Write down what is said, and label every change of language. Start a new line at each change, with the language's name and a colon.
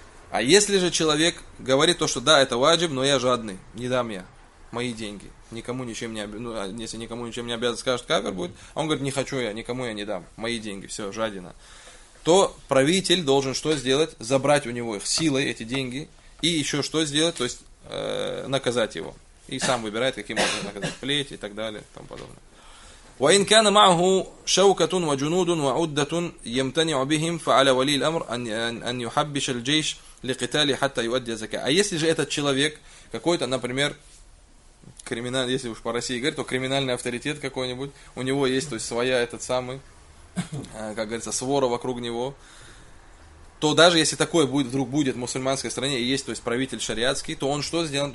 Russian: А если же человек говорит то, что да, это ваджиб, но я жадный, не дам я мои деньги, никому ничем не обязан, ну, если никому ничем не обязан, скажет кафир будет, а он говорит, не хочу я, никому я не дам мои деньги, все, жадина, то правитель должен что сделать? Забрать у него их силой эти деньги и еще что сделать? То есть наказать его. И сам выбирает, каким образом наказать, плеть и так далее, и тому подобное.
Arabic: وإن كان معه شوكة وجنود وعدة يمتنع بهم فعلى ولي الأمر أن يحبش الجيش لقتال حتى يؤدي الزكاة.
Russian: А если же этот человек какой-то, например, криминал, если уж по России говорить, то криминальный авторитет какой-нибудь, у него есть, то есть своя этот самый, как говорится, свора вокруг него, то даже если такое будет, вдруг будет в мусульманской стране, и есть, то есть, правитель шариатский, то он что сделает?